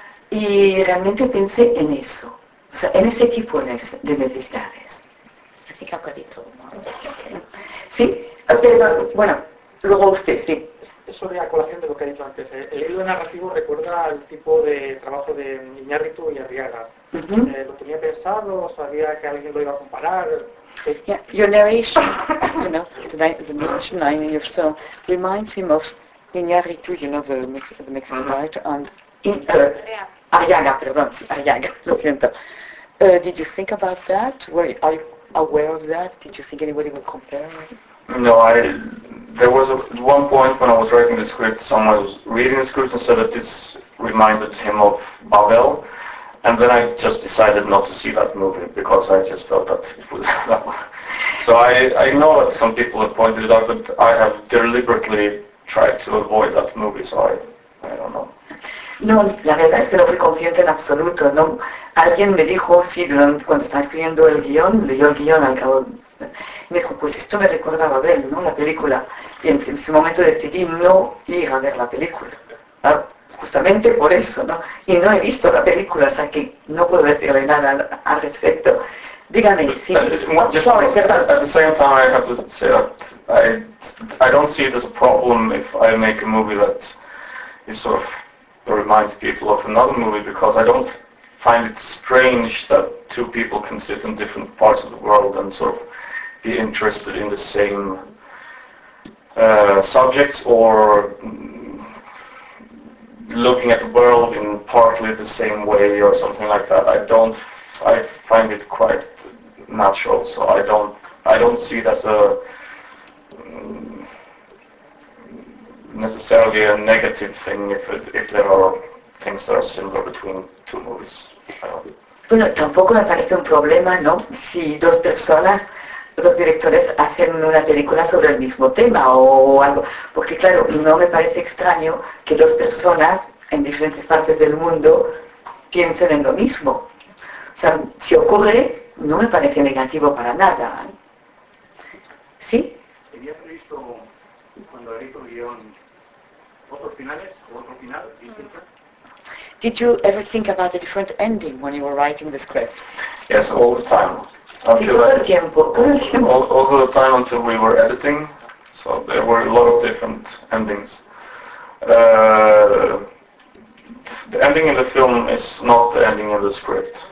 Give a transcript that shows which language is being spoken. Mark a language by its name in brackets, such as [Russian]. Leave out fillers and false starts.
[Spanish] Y realmente pensé en eso, o sea, en ese tipo de necesidades. Así que acuerdito. Sí, pero bueno, luego usted, sí. Sobre la colación de lo que ha dicho antes, el hilo narrativo recuerda al tipo de trabajo de Iñárritu y Arriaga. Uh-huh. ¿Lo tenía pensado? ¿Sabía que alguien lo iba a comparar? [English] Yeah, your narration, you know, the narration line in your film reminds him of Iñárritu, you know, the Mexican writer, and [Spanish] Arriaga, perdón, sí, Arriaga, lo siento. [English] Did you think about that? Were you, are you aware of that? Did you think anybody would compare? No, there was one point when I was writing the script, someone was reading the script and said that this reminded him of Babel, and then I just decided not to see that movie because I just felt that it was so I know that some people have pointed it out, but I have deliberately tried to avoid that movie, so I don't know. [Spanish] No, la verdad es que no fui consciente en absoluto, ¿no? Alguien me dijo, sí, cuando estaba escribiendo el guión, leyó el guión al cabo, me dijo, pues esto me recuerda a Babel, ¿no? La película. Y en ese momento decidí no ir a ver la película, ¿no? Justamente por eso, ¿no? Y no he visto la película, o sea que no puedo decirle nada al respecto. Dígame, sí. [English] At the same time, I have to say that I don't see it as a problem if I make a movie that is sort of reminds people of another movie, because I don't find it strange that two people can sit in different parts of the world and sort of be interested in the same subjects or looking at the world in partly the same way or something like that. I find it quite natural, so I don't see it as a necessarily a negative thing if there are things that are similar between two movies. [Spanish] Bueno, tampoco me parece un problema, ¿no? Si dos personas, dos directores hacen una película sobre el mismo tema o algo. Porque claro, no me parece extraño que dos personas en diferentes partes del mundo piensen en lo mismo. O sea, si ocurre, no me parece negativo para nada. ¿Sí? ¿Tenía previsto, cuando leí tu guión, otros finales o otro final distinto? [English] Did you ever think about a different ending when you were writing the script? Yes, all the time. All the time until we were editing. So there were a lot of different endings. The ending in the film is not the ending in the script.